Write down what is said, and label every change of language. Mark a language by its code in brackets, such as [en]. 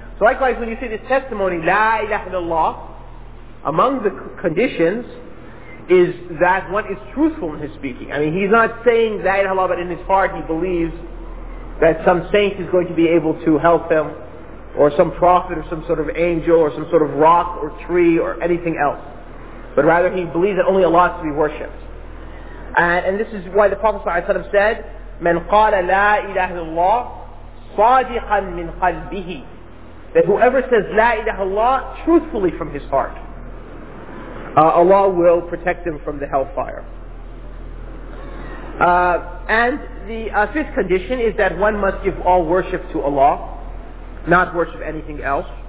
[en] So likewise, when you say this testimony, La ilaha illallah, among the conditions is that one is truthful in his speaking. I mean, he's not saying La ilaha illallah, but in his heart he believes that some saint is going to be able to help him, or some prophet, or some sort of angel, or some sort of rock, or tree, or anything else. But rather, he believes that only Allah is to be worshipped. And this is why the Prophet ﷺ said, [ar] مَنْ قَالَ لَا إِلَهَ اللَّهُ صَادِقًا مِنْ قَلْبِهِ. [en] That whoever says La ilaha illallah truthfully from his heart, Allah will protect him from the hellfire. And the fifth condition is that one must give all worship to Allah, not worship anything else.